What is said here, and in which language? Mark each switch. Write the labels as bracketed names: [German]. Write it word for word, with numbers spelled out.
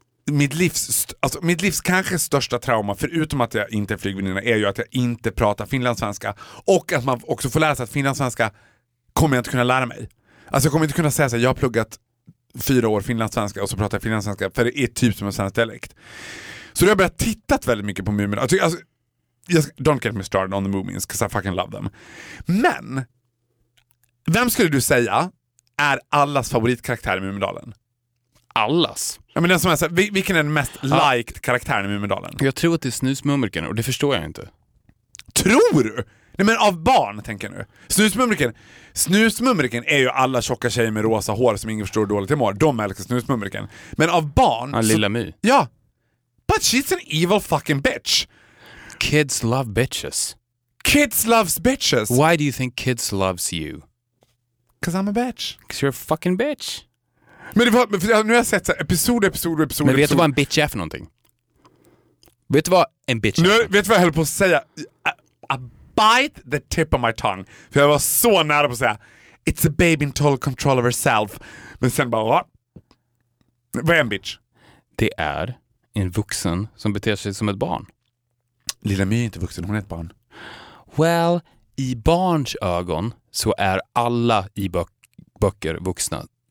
[Swedish] Mitt livs, alltså mitt livs kanske största trauma, förutom att jag inte är flygvärdinna, är ju att jag inte pratar finlandssvenska. Och att man också får lära sig att finlandssvenska kommer jag inte kunna lära mig. Alltså jag kommer inte kunna säga att jag har pluggat fyra år finlandssvenska och så pratar jag finlandssvenska, för det är typ som en svensk dialekt. Så då har jag börjat tittat väldigt mycket på Mumin. [English] Alltså, alltså, don't get me started on the Mumins, because I fucking love them. [Swedish] Men vem skulle du säga är allas favoritkaraktär i Mumindalen? Allas. Ja, men den som är så här, vilken är den mest ja. [English] liked [Swedish] karaktären i Mumindalen? Jag tror att det är Snusmumriken, och det förstår jag inte. Tror du? Nej, men av barn tänker jag nu. Snusmumriken. Snusmumriken är ju alla tjocka tjejer med rosa hår som ingen förstår dåligt imorgon. De älskar snusmumriken. Men av barn... Ja, så, lilla My. [English] Ja. But she's an evil fucking bitch. Kids love bitches. Kids loves bitches. Why do you think kids loves you? Cause I'm a bitch. Cause you're a fucking bitch. [Swedish] Men det var, nu har jag sett så här, episod, episod, episod. Men vet episod. du vad en bitch är för någonting? Vet du vad en bitch är? Nu, vet du vad jag höll på att säga? [English] I, I bite the tip of my tongue. [Swedish] För jag var så nära på att säga [English] it's a baby in total control of herself. [Swedish] Men sen bara, [English] what? [Swedish] Vad är en bitch? Det är en vuxen som beter sig som ett barn. Lilla My är inte vuxen, hon är ett barn. Well, i barns ögon så är alla i bö- böcker vuxna.